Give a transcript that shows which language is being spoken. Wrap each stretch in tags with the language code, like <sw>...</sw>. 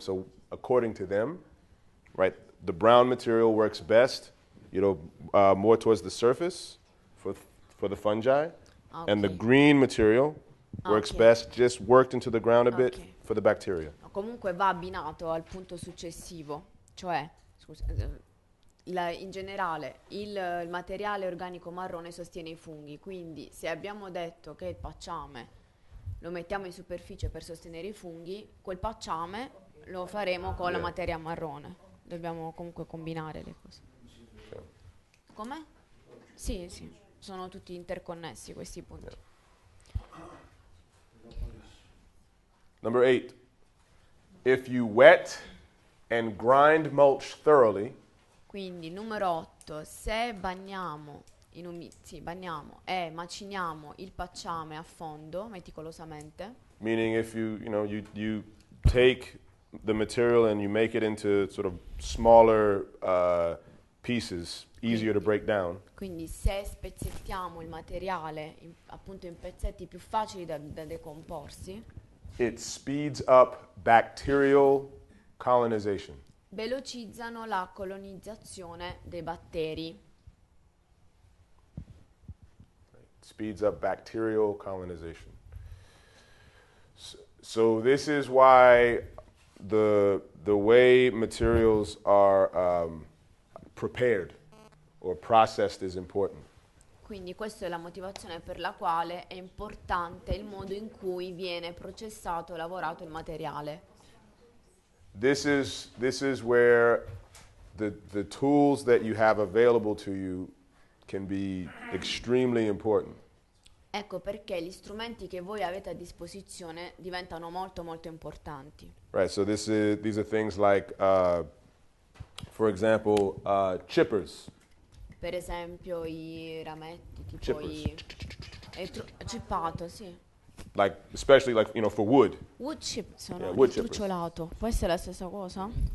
<en>So according to them, right, the brown material works best, you know, more towards the surface for the fungi. Okay. And the green material works best, just worked into the ground a bit for the bacteria.</en> <it>Comunque va abbinato al punto successivo, cioè... in generale il materiale organico marrone sostiene i funghi, quindi se abbiamo detto che il pacciame lo mettiamo in superficie per sostenere i funghi, quel pacciame lo faremo con la materia marrone. Dobbiamo comunque combinare le cose. Com'è? Sì, sì, sono tutti interconnessi questi punti.</it> <en>Number 8. If you wet and grind mulch thoroughly.</en> <it>Quindi numero 8, se bagniamo in sì, bagniamo e maciniamo il pacciame a fondo meticolosamente.</it> <en>Meaning if you take the material and you make it into sort of smaller pieces, easier to break down.</en> <it>Quindi se spezzettiamo il materiale appunto in pezzetti più facili da decomporsi.</it> <en>It speeds up bacterial colonization.</en> <it>Velocizzano la colonizzazione dei batteri.</it> <en>Speeds up bacterial colonization. So this is why the way materials are prepared or processed is important.</en> <it>Quindi questa è la motivazione per la quale è importante il modo in cui viene processato, lavorato il materiale.</it> <en>This is where the tools that you have available to you can be extremely important.</en> <it>Ecco perché gli strumenti che voi avete a disposizione diventano molto molto importanti.</it> <en>Right, so these are things like for example chippers.</en> <it>Per esempio i rametti, tipo chippers. Cippato, sì.</it> <en>Like especially like you know for wood.</en> <it>Wood chip, sono wood trucciolato. Può essere la stessa cosa?</it>